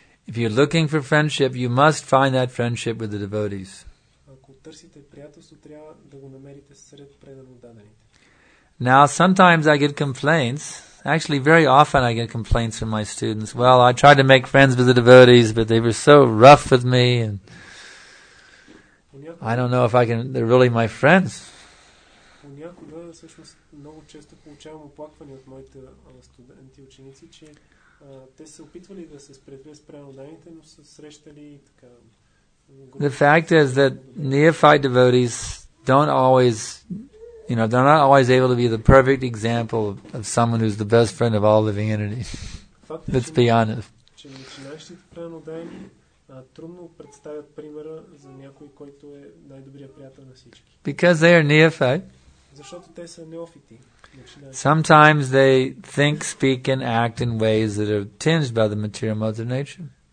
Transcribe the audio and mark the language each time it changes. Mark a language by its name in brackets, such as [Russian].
[English] If you're looking for friendship, you must find that friendship with the devotees. [Bulgarian] Ако търсите приятелство, трябва да го намерите сред преданоданите. [English] Now, sometimes I get complaints. Actually, very often I get complaints from my students. Well, I tried to make friends with the devotees, but they were so rough with me, and I don't know if I can. They're really my friends. [Bulgarian] Понякога, всъщност, много често получавам оплаквания от моите студенти, ученици, че те са опитвали да се сприятелят с преданите, но са срещали и така. [English] The fact is that neophyte devotees don't always, you know, they're not always able to be the perfect example of someone who's the best friend of all living entities. Let's be honest. [Bulgarian] Че начинащите преданите трудно представят примера за някой, който е най-добрият приятел на всички. [English] Because they are neophyte. [Bulgarian] Защото те са неофити. [English] Sometimes they think, speak, and act in ways that are tinged by the material modes of nature.